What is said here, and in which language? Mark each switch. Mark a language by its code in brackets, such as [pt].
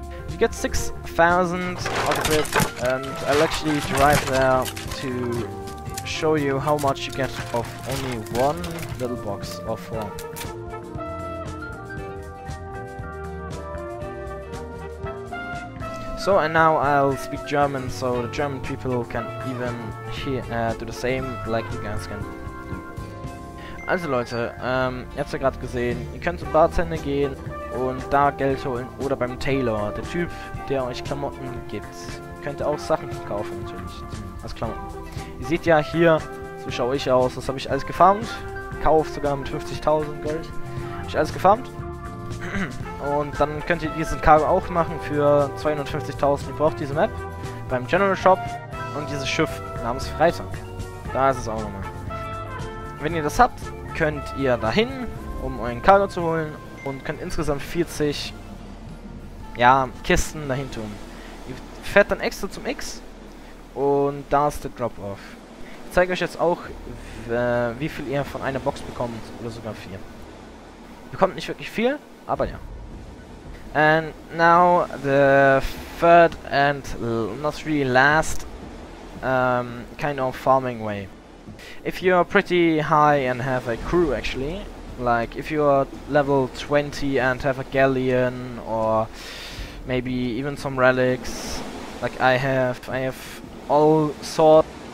[en] You get 6,000 out of it, and I'll actually drive there to show you how much you get of only one little box or four. So, and now I'll speak German so the German people can even hear, do the same like you guys can. [de] Also Leute, ihr habt ja gerade gesehen, ihr könnt zum Bartender gehen und da Geld holen oder beim Tailor, der Typ, der euch Klamotten gibt. Könnt ihr auch Sachen kaufen natürlich, als Klamotten. Ihr seht ja hier, so schaue ich aus, das habe ich alles gefarmt. Kauft sogar mit 50.000 Gold. Habe ich alles gefarmt. Und dann könnt ihr diesen Cargo auch machen für 250.000, ihr braucht diese Map beim General Shop und dieses Schiff namens Freitag. Da ist es auch nochmal. Wenn ihr das habt, könnt ihr dahin, um euren Cargo zu holen und könnt insgesamt 40 ja, Kisten dahin tun. Ihr fährt dann extra zum X und da ist der Drop-Off. Ich zeige euch jetzt auch, wie viel ihr von einer Box bekommt oder sogar 4. Bekommt nicht wirklich viel, aber ja. [en] And now the third and not really last kind of farming way. If you're pretty high and have a crew actually, like if you're level 20 and have a galleon or maybe even some relics, like I have all swords.